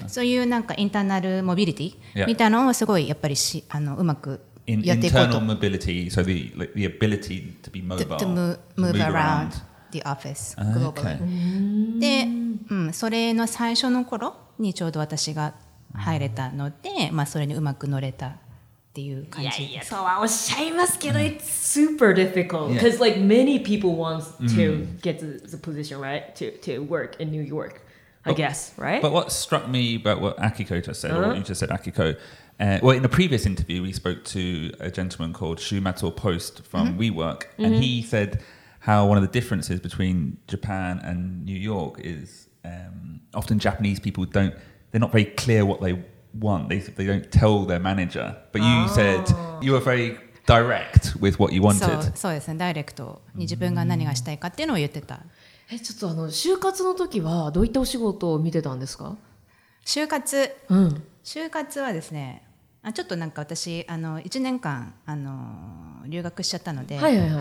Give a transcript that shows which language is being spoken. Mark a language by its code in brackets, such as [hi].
[ja] そういうなんかインターナルモビリティみたいなのをすごいやっぱりしうまくやっていこうと。 [en] インターナルモビリティ、so the ability to be mobile, to move aroundthe office globally. Okay. [ja] で、うん、それの最初の頃にちょうど私が入れたので、まあそれにうまく乗れたっていう感じ。 [en] いやいや、そうはおっしゃいますけど、 it's super difficult because like many people want to get the position right to work in New York, I guess, right? But what struck me about what Akiko just said, or what you just said, Akiko, well, in a previous interview, we spoke to a gentleman called Shumato Post from WeWork, and he said. How one of the differences between Japan and New York is often Japanese people don't they're not very clear what they want. They don't tell their manager. But you said you were very direct with what you wanted. [ja] そうですね、ダイレクトに自分が何がしたいかっていうのを言ってた。え、ちょっとあの就活の時はどういったお仕事を見てたんですか？就活、うん、就活はですね、あ、ちょっとなんか私あの1年間あの留学しちゃったので、はいはいはい、